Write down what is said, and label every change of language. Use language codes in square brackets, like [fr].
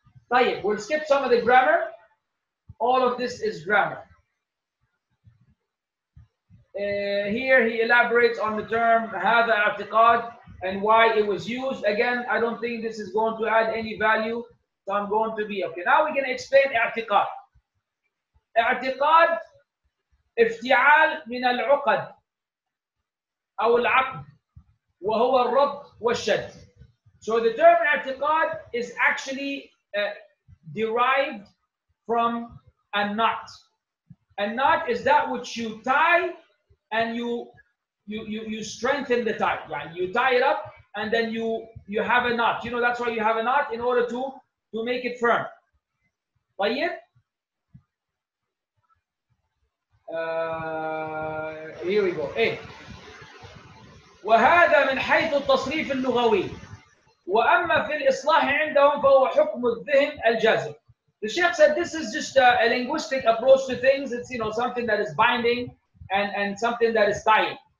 [en] طيب, we'll skip some of the grammar. All of this is grammar. Here he elaborates on the term [ar] هذا اعتقاد [en] and why it was used. Again, I don't think this is going to add any value, so I'm going to be okay. Now we're going to explain اعتقاد. [ar] اعتقاد افتعال من العقد أو العقد وهو الرد والشد. [en] So the term i'tiqad is actually derived from a knot. A knot is that which you tie and you strengthen the tie. Right? You tie it up and then you have a knot. You know, that's why you have a knot, in order to make it firm. طيب. Here we go. Hey. [ar] وهذا من حيث التصريف اللغوي. وأما في الإصلاح عندهم فهو حكم الذهن الجازم. [en] The Sheikh said this is just a linguistic approach to things. It's, you know, something that is binding and something that is tying.